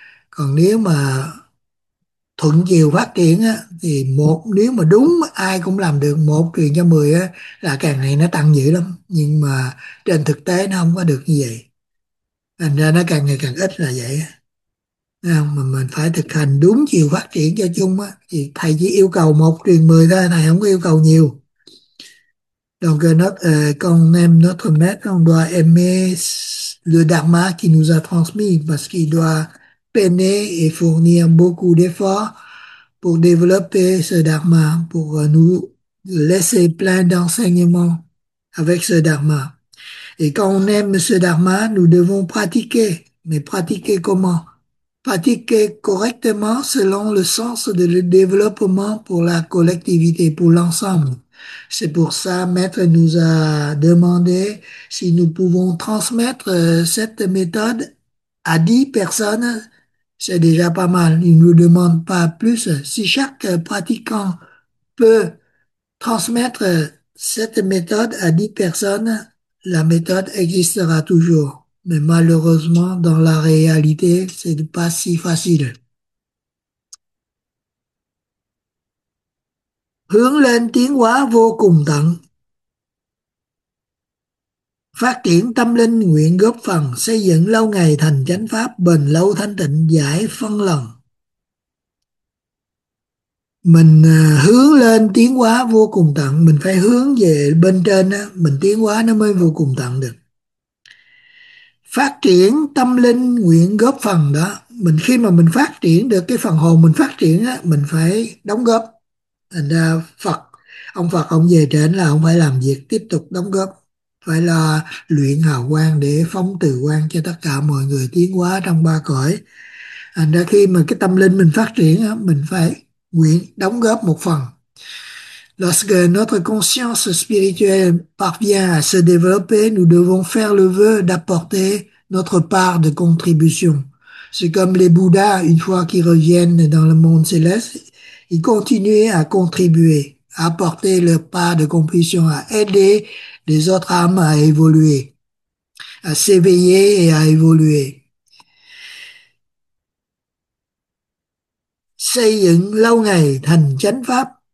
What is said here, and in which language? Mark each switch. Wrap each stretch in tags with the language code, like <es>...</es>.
<vi>Còn nếu mà thuận chiều phát triển á, thì một, nếu mà đúng ai cũng làm được một truyền cho 10 á, là càng ngày nó tăng dữ lắm. Nhưng mà trên thực tế nó không có được như vậy. Thành ra nó càng ngày càng ít là vậy á. Mà mình phải thực hành đúng chiều phát triển cho chung á, thì thầy chỉ yêu cầu một truyền 10 thôi, thầy không có yêu cầu nhiều.</vi> <fr>Donc con aime notre maître, on doit aimer le dharma qui nous a transmis parce qu'il doit peiner et fournir beaucoup d'efforts pour développer ce dharma, pour nous laisser plein d'enseignements avec ce dharma. Et quand on aime ce dharma, nous devons pratiquer. Mais pratiquer comment? pratiquée correctement selon le sens de développement pour la collectivité, pour l'ensemble. C'est pour ça, Maître nous a demandé si nous pouvons transmettre cette méthode à 10 personnes. C'est déjà pas mal. Il ne nous demande pas plus. Si chaque pratiquant peut transmettre cette méthode à 10 personnes, la méthode existera toujours. Mais malheureusement, dans la réalité, ce n'est pas si facile.</fr> <vi>Hướng lên tiến hóa vô cùng tận. Phát triển tâm linh nguyện góp phần xây dựng lâu ngày thành chánh pháp bền lâu thanh tịnh giải phân lần. Mình hướng lên tiến hóa vô cùng tận, mình phải hướng về bên trên á, mình tiến hóa nó mới vô cùng tận được. Phát triển tâm linh nguyện góp phần đó, mình khi mà mình phát triển được cái phần hồn mình phát triển á, mình phải đóng góp. Thành ra Phật ông về trên là ông phải làm việc tiếp tục đóng góp, phải là luyện hào quang để phóng từ quang cho tất cả mọi người tiến hóa trong ba cõi. Thành ra khi mà cái tâm linh mình phát triển á, mình phải nguyện đóng góp một phần.</vi> <fr>Lorsque notre conscience spirituelle parvient à se développer, nous devons faire le vœu d'apporter notre part de contribution. C'est comme les Bouddhas, une fois qu'ils reviennent dans le monde céleste, ils continuaient à contribuer, à apporter leur part de contribution, à aider les autres âmes à évoluer, à s'éveiller et à évoluer.</fr> <vi>Xây dựng lâu ngày thành chánh pháp.</vi>